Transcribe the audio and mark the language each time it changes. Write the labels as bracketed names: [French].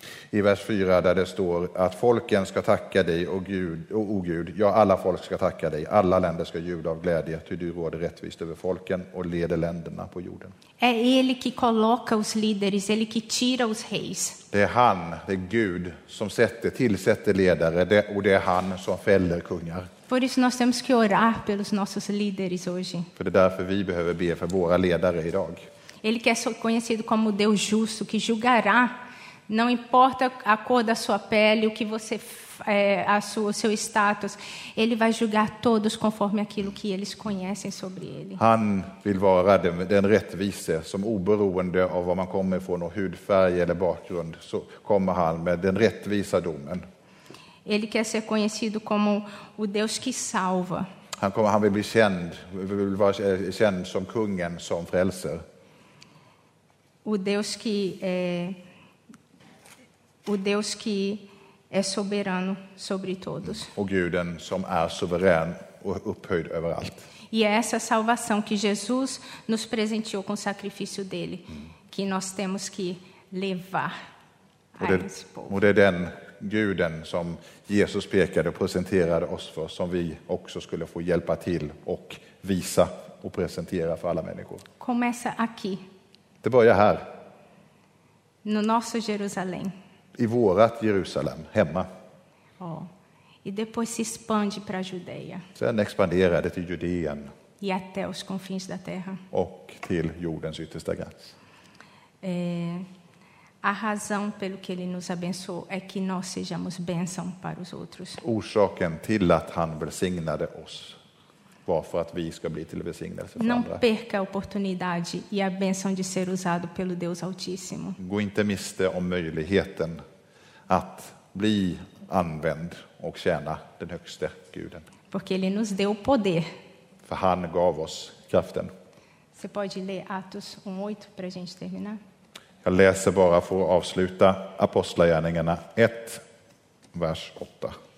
[Swedish] I vers 4 där det står att folken ska tacka dig och Gud, och o Gud, ja alla folk ska tacka dig, alla länder ska jubla av glädje, ty du råder rättvist över folken och leder länderna på jorden. [Portuguese] Är ele que coloca os líderes, ele que tira os reis. [Swedish] Det är han, det är Gud som sätter, tillsätter ledare, det, och det är han som fäller kungar. [Portuguese] Por isso nós temos que orar pelos nossos líderes hoje. [Swedish] För det är därför vi behöver be för våra ledare idag. [Portuguese] Ele quer ser conhecido como Deus justo, que julgará, não importa a cor da sua pele, o que você o seu status, ele vai julgar todos conforme aquilo que eles conhecem sobre ele. [Swedish] Han vill vara den rättvise som oberoende av var man kommer från och hudfärg eller bakgrund, så kommer han med den rättvisa domen. [Portuguese] Ele quer ser conhecido como o Deus que salva. [Swedish] Han vill bli känd, vill vara känd som kungen som frälser. [Portuguese] O Deus que é soberano sobre todos. [Swedish] O guden som är suverän och upphöjd över allt. [Portuguese] E é essa salvação que Jesus nos presenteou com o sacrifício dele, que nós temos que levar a esse povo. [Swedish] Och det är den guden som Jesus pekade och presenterade oss för, som vi också skulle få hjälpa till och visa och presentera för alla människor. [Portuguese] Começa aqui. [Swedish] Det börjar här. [Portuguese] No nosso Jerusalém. [Swedish] I vårat Jerusalem, hemma. Ja. Oh. [Portuguese] E depois se expande para a Judeia. [Swedish] Sen expanderar det till Judeen. [Portuguese] E até os confins da terra. [Swedish] Och till jordens yttersta gräns. [Portuguese] A razão pelo que ele nos abençoou é que nós sejamos bênção para os outros. [Swedish] Orsaken till att han välsignade oss. Varför att vi ska bli till välsignelse för andra. [Portuguese] Não perca a oportunidade e a bênção de ser usado pelo Deus Altíssimo. [Swedish] Gå inte miste om möjligheten att bli använd och tjäna den högste guden. [Portuguese] Porque ele nos deu poder. [Swedish] För han gav oss kraften. [Portuguese] Você pode ler Atos 1:8 para a gente terminar? [Swedish] Jag läser bara för att avsluta Apostlagärningarna 1, vers 8.